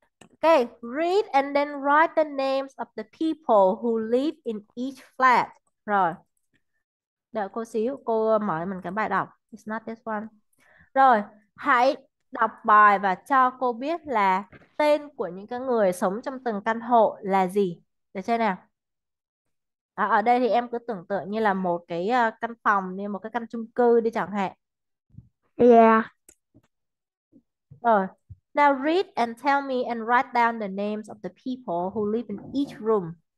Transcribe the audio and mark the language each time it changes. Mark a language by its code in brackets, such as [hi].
[en] Okay, read and then write the names of the people who live in each flat. [vi] Rồi. Đợi cô xíu, cô mở mình cái bài đọc. [en] It's not this one. [vi] Rồi, hãy đọc bài và cho cô biết là tên của những cái người sống trong từng căn hộ là gì. Được chưa nào? Ở đây thì em cứ tưởng tượng như là một cái căn phòng, như một cái căn chung cư đi chẳng hạn. [en] Yeah. Now read and tell me and write down the names of the people who live in each room.